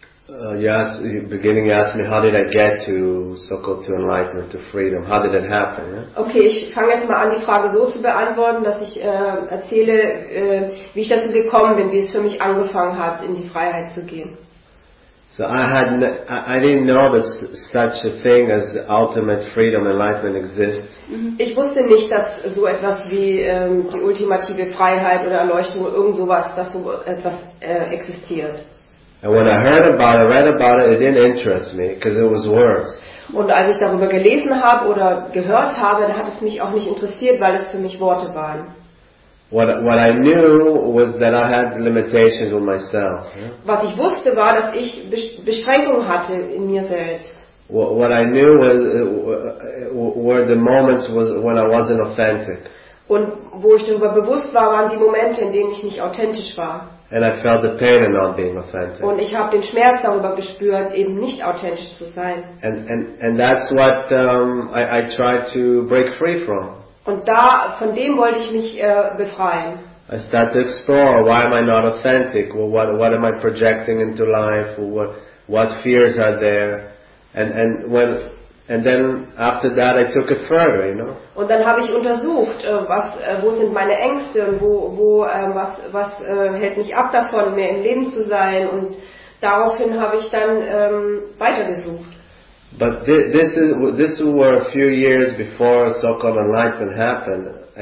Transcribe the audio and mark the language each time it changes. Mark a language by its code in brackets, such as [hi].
[en] Yes, beginning you asked me how did I get to so-called to enlightenment, to freedom. How did it happen? Yeah? [de] Okay, ich fange jetzt mal an, die Frage so zu beantworten, dass ich erzähle, wie ich dazu gekommen bin, wie es für mich angefangen hat, in die Freiheit zu gehen. [en] So I didn't know that such a thing as ultimate freedom, enlightenment exists. [de] Ich wusste nicht, dass so etwas wie die ultimative Freiheit oder Erleuchtung irgend sowas, dass so etwas existiert. [en] And when I heard about it, read about it, it didn't interest me because it was words. [de] Und als ich darüber gelesen habe oder gehört habe, dann hat es mich auch nicht interessiert, weil es für mich Worte waren. [en] What I knew was that I had limitations on myself. [de] Was ich wusste war, dass ich Beschränkungen hatte in mir selbst. [en] What I knew was were the moments was when I wasn't authentic. [de] Und wo ich darüber bewusst war, waren die Momente, in denen ich nicht authentisch war. [en] And I felt the pain of not being authentic. [de] Und ich habe den Schmerz darüber gespürt, eben nicht authentisch zu sein. [en] And that's what I tried to break free from. [de] Und da von dem wollte ich mich befreien. [en] I started to explore why am I not authentic? Well, what am I projecting into life? Well, what fears are there? And then after that I took it further, you know. [de] Und dann habe ich untersucht, wo sind meine Ängste und was hält mich ab davon, mehr im Leben zu sein, und daraufhin habe ich dann weitergesucht. [en] But this were a few years before so-called enlightenment happened.